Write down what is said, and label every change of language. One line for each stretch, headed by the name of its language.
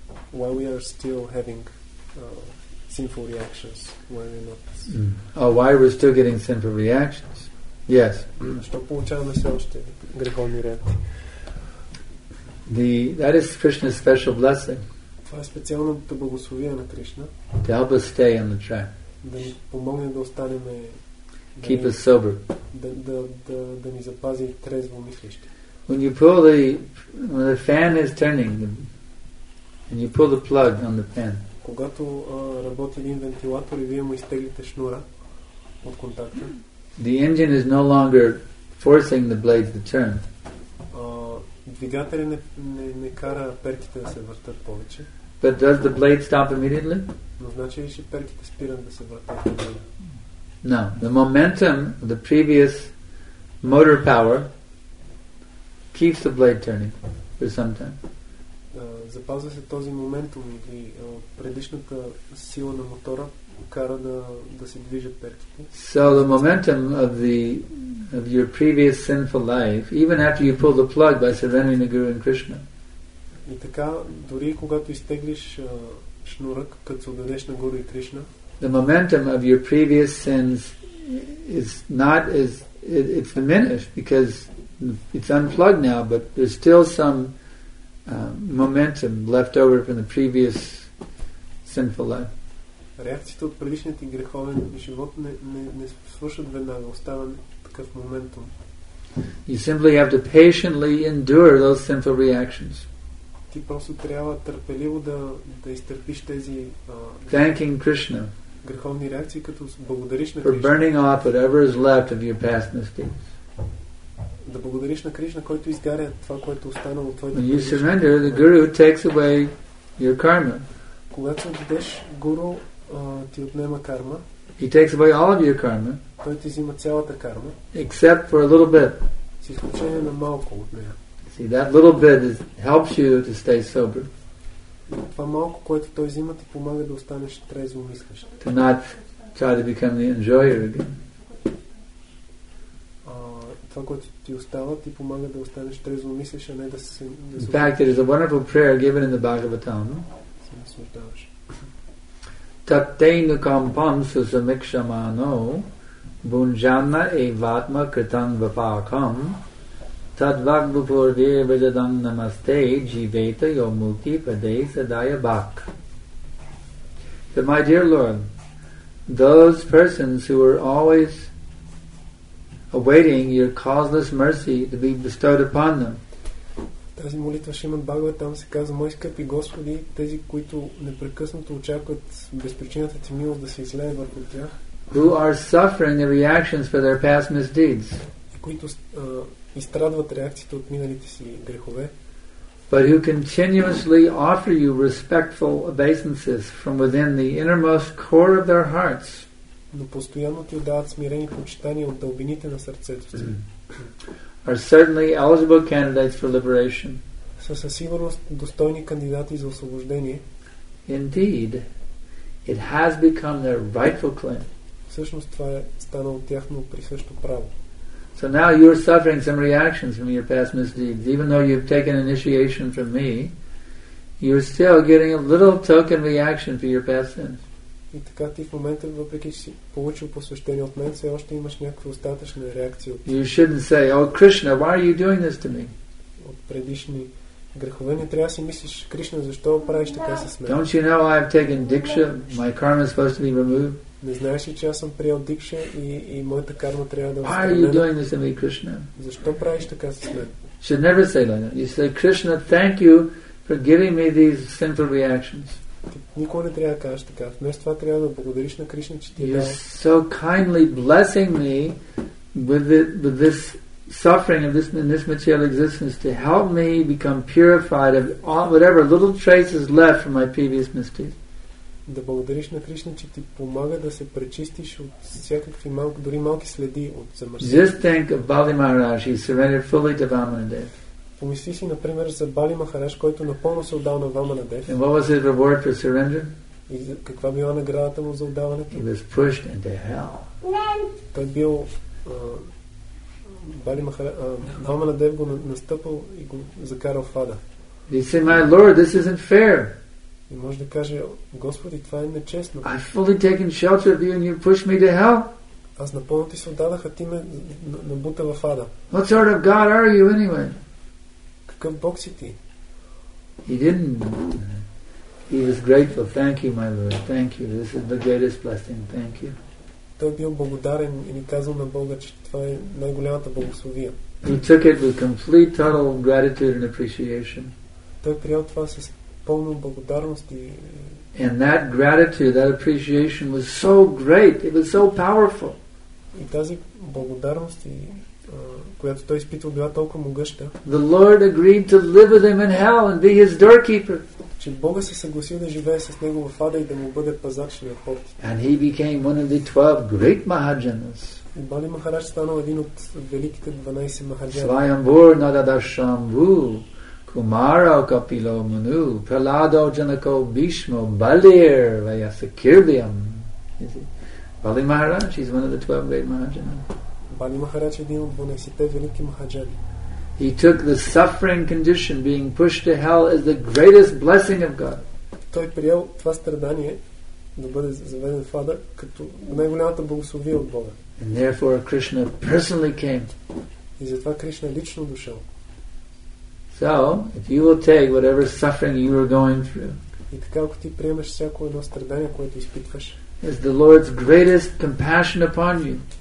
English: While we are still having sinful reactions, why are we not? Mm. Oh, why we're still getting sinful reactions? Yes. That is Krishna's special blessing.
Bulgarian: Това е специалното благословие на Кришна.
English: To help us stay on the track.
Bulgarian: Да ни помогне да останеме.
English: Keep us sober.
Bulgarian: Да ни запази трезво мислище.
English: When you pull when the fan is turning, and you pull the plug on the fan.
Bulgarian: Когато работи един вентилатор и вие му изтеглите шнура от контакта.
English: The engine is no longer forcing the blades to turn.
Bulgarian: Двигателя не кара перките да се въртат повече.
English: But does the blade stop immediately?
Bulgarian: Но значи ли, че перките спират да се въртат?
English: No, the momentum of the previous motor power keeps the blade turning for some time.
Bulgarian: Запазва се този моментум или предишната сила на мотора кара да се движат перките.
English: So the momentum of your previous sinful life, even after you pull the plug by surrendering to Guru and Krishna,
Bulgarian: И така, дори когато изтеглиш шнура, като се отдадеш на Гуру и Кришна,
English: the momentum of your previous sins is not as it's diminished because it's unplugged now, but there's still some momentum left over from the previous sinful life.
Bulgarian: Реакциите от предишните грехове на живот не свършат веднага, остава такъв моментум.
English: You simply have to patiently endure those sinful reactions.
Bulgarian: Ти просто трябва търпеливо да изтърпиш тези
English: thanking Krishna
Bulgarian: греховни реакции, като благодариш на
English: Кришна for burning off whatever is left of your past mistakes.
Bulgarian: Да благодариш на Кришна, който изгаря това, което останало от твоите.
English: When you surrender, the Guru takes away your karma.
Bulgarian: Когато се отдадеш, Гуру ти отнема карма.
English: He takes away all of your karma.
Bulgarian: Той ти взима цялата карма.
English: Except for a little bit.
Bulgarian: С изключение на малко от нея.
English: See, that little bit is, helps you to stay sober.
Bulgarian: Това малко, което той взима, ти помага да останеш трезво мислящ.
English: To not try to become the enjoyer again.
Bulgarian: Това, което ти остава, ти помага да останеш трезво мислящ, а не да се...
English: In fact, it is a wonderful prayer given in the Bhagavatam.
Bulgarian: Се наслаждаваш.
Sanskrit: Tatena kampam susamikshamano bunjana evatma kritan vipakam tadvagbupurve vajadam namaste jiveta yomukti padesa dayabak.
English: So my dear Lord, those persons who were always awaiting your causeless mercy to be bestowed upon them,
Bulgarian: тази молитва Шримад Бхагаватам се казва: Мои скъпи Господи, тези, които непрекъснато очакват безпричината ти милост да се излее върху тях,
English: who are suffering the reactions for their past misdeeds,
Bulgarian: които изстрадват реакциите от миналите си грехове,
English: but who continuously offer you respectful obeisances from within the innermost core of their hearts,
Bulgarian: но постоянно ти отдават смирени почитания от дълбините на сърцето си,
English: are certainly eligible candidates for liberation.
Bulgarian: Са със сигурност достойни кандидати за освобождение.
English: Indeed, it has become their rightful claim.
Bulgarian: Всъщност това е станало тяхно присъщо право.
English: So now you are suffering some reactions from your past misdeeds. Even though you've taken initiation from me, you're still getting a little token reaction for your past sins.
Bulgarian: И така ти в момента, въпреки че си получил посвещение от мен, все още имаш някаква остатъчна реакция от...
English: You shouldn't say, oh Krishna, why are you doing this to me?
Bulgarian: От предишни грехове не трябва да си мислиш, Кришна, защо правиш така с мен?
English: Don't you know I have taken diksha? My karma is supposed to be removed.
Bulgarian: Не знаеш ли, че аз съм приел дикша и моята карма трябва да...
English: Why are you doing this to me, Krishna?
Bulgarian: Защо правиш така с мен?
English: You should never say like that. You say, Krishna, thank you for giving me these sinful reactions.
Bulgarian: Никой не трябва да кажеш така. Вместо това трябва да благодариш на Кришна, че ти е...
English: You're so kindly blessing me with this suffering of this material existence to help me become purified of all, whatever little traces left from my previous mistakes.
Bulgarian: Да благодариш на Кришна, че ти помага да се пречистиш от всякакви малки, дори малки следи от замърсяване.
English: Just think of Bali Maharaj, he surrendered fully to Vamanadeva.
Bulgarian: Помисли си, например, за Бали Махараш, който напълно се отдал на Ваманадев.
English: And what was his reward for surrender?
Bulgarian: И каква била наградата му за отдаването?
English: He was pushed into hell.
Bulgarian: Той бил... Бали Махараш... Ваманадев го настъпал и го закарал в ада.
English: He said, my Lord, this isn't fair.
Bulgarian: И може да каже, Господи, това е нечестно.
English: I've fully taken shelter of you and you pushed me to hell.
Bulgarian: Аз напълно ти се отдадах, а ти ме набута в ада.
English: What sort of God are you anyway?
Bulgarian: Към Бог си ти.
English: He didn't. He was grateful. Thank you, my Lord. Thank you. This is the greatest blessing. Thank you.
Bulgarian: Той бил благодарен и ни казал на Бога, че това е най-голямата благословия.
English: He took it with complete, total gratitude and appreciation.
Bulgarian: Той приел това с пълна благодарност и...
English: And that gratitude, that appreciation was so great. It was so powerful.
Bulgarian: И тази благодарност и... която той изпитвал била толкова могъща.
English: The Lord agreed to live with him in hell and be his doorkeeper.
Bulgarian: Че Бога се съгласил да живее с него в ада и да му бъде пазач на портите.
English: And he became one of the 12 great Mahajanas.
Bulgarian: И Бали Махарадж станал един от великите 12 Mahajanas.
Sanskrit: Свайамбур Нарада Шамбу, Кумарао Капило Муну, Праладо Джанако Бишмо, Балир Ваясакирдиям.
English: Бали Махарадж, he's one of the 12 great Mahajanas.
Bulgarian: Бали Махарадж е един от 12-те велики махаджани.
English: He took the suffering condition, being pushed to hell, as the greatest blessing of God.
Bulgarian: Той приел това страдание да бъде заведен в ада като най-голямата благословия от Бога.
English: And therefore Krishna personally came.
Bulgarian: И затова Кришна лично дошъл.
English: So, if you will take whatever suffering you are going through,
Bulgarian: и така, ако ти приемаш всяко едно страдание, което изпитваш,
English: as the Lord's greatest compassion upon you,